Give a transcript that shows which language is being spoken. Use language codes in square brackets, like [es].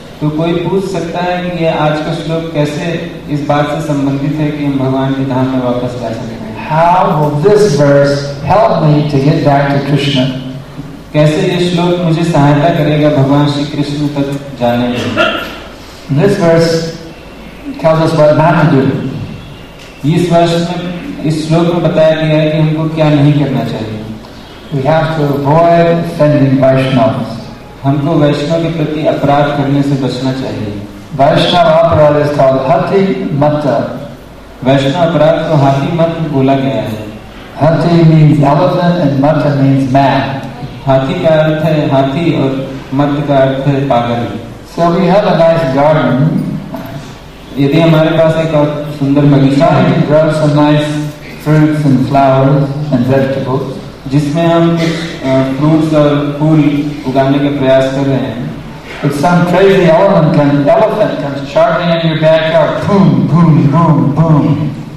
[hi] तो कोई पूछ सकता है कि ये आज का श्लोक कैसे इस बात से संबंधित है कि हम भगवान के धाम में वापस जा सकते हैं। [en] how will this verse help me to get back to Krishna? [hi] कैसे ये श्लोक मुझे सहायता करेगा भगवान श्री कृष्ण तक जाने में? [en] This verse tells us what not to do. [hi] इस वर्ष में इस श्लोक में बताया गया है कि हमको क्या नहीं करना चाहिए. [en] We have to avoid offending Vaishnavas. [hi] हमको वैष्णव के प्रति अपराध करने से बचना चाहिए. वैष्णव अपराध [en] is called [hi] हति मत. वैष्णव अपराध को हति मत बोला गया है. [en] हति means elephant and मत means man. [hi] हाथी का अर्थ है हाथी और मत का अर्थ है पागल. [en] So we have a nice garden. [hi] यदि हमारे पास एक सुंदर बगीचा है, [en] we grow some nice fruits and flowers and vegetables, [hi] जिसमें हम कुछ फ्रूट्स और फूल उगाने के प्रयास कर रहे हैं. [en] But some crazy elephant comes charging in your backyard, boom, boom, boom, boom.